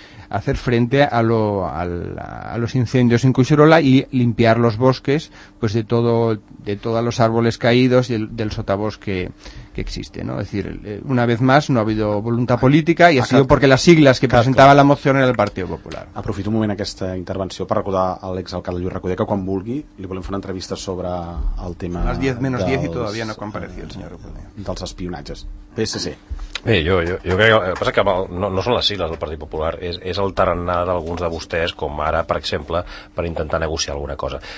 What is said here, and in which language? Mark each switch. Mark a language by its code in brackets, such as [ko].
[es] hacer frente a los incendios en Cuixerola y limpiar los bosques, pues, de todos los árboles caídos y del sotabosque que existe, ¿no? Es decir, una vez más no ha habido voluntad política y ha sido porque las siglas que [ca] presentava la moció [es] era el Partit Popular. [ca] Aprofito un moment aquesta intervenció per recordar a l'exalcalde Lluís Recudé que quan vulgui li volem fer una entrevista sobre el tema... [es] Les 10 menos 10 i todavía no ha comparecido el senyor Recudé. [ca] Dels espionatges. PSC. Bé, jo crec que el que passa és que no són les sigles del Partit Popular, és el tarannà d'alguns de vostès, com ara, per exemple, per intentar negociar alguna cosa.